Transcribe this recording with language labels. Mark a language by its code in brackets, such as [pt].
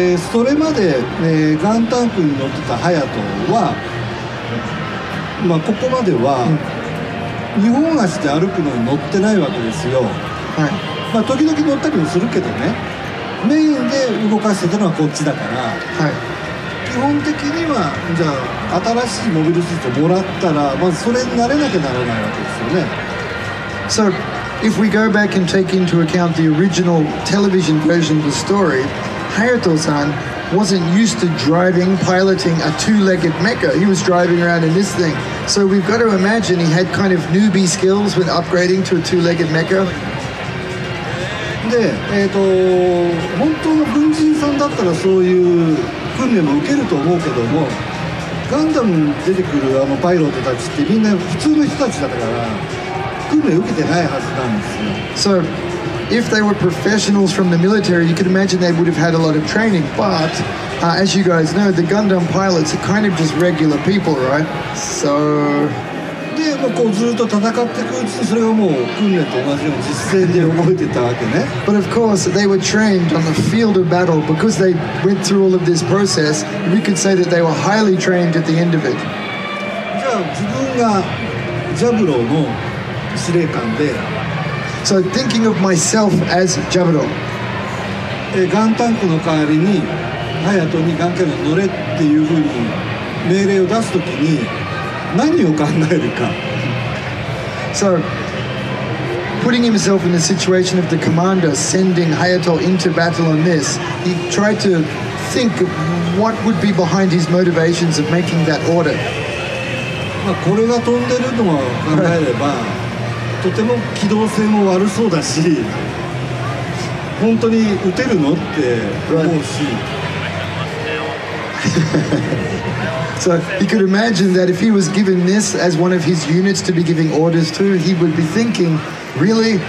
[ja] それまで、ガンタンクに乗ってたハヤトは、まあ、ここまでは日本足で歩くのに乗ってないわけですよ。はい。まあ、時々乗ったりもするけどね。メインで動かしてたのはこっちだから、はい、基本的にはじゃあ新しいモビルスーツをもらったらまずそれに慣れなきゃならないわけですよね。 [en] So if we go back and take into account the original television version of the story, Hayato-san wasn't used to driving, piloting a two-legged mecha. He was driving around in this thing. So we've got to imagine he had kind of newbie skills with upgrading to a two-legged mecha. [ja] で、本当の軍人さんだったらそういう訓練も受けると思うけども、ガンダムに出てくるあのパイロットたちってみんな普通の人たちだから訓練受けてないはずなんですよ。 [en] So if they were professionals from the military, you could imagine they would have had a lot of training, but、as you guys know, the Gundam pilots are kind of just regular people, right? So... [ja] こうずっと戦っていくうちにそれがもう訓練と同じように実践で覚えてたわけね。 [en] But of course they were trained on the field of battle because they went through all of this process. We could say that they were highly trained at the end of it. [ja] じゃあ自分がジャブローの司令官で、 [en] So thinking of myself as ジャブロ [ja] ー、ガンタンクの代わりにハヤトにガンキャノン乗れっていうふうに命令を出すときに何を考えるか。 [en] So putting himself in the situation of the commander sending Hayato into battle on this, he tried to think what would be behind his motivations of making that order. [ja] まあこれが飛んでるのを考えればとても機動性も悪そうだし本当に撃てるのって思うし、 [en] So he could imagine that if he was given this as one of his units to be giving orders to, he would be thinking, really?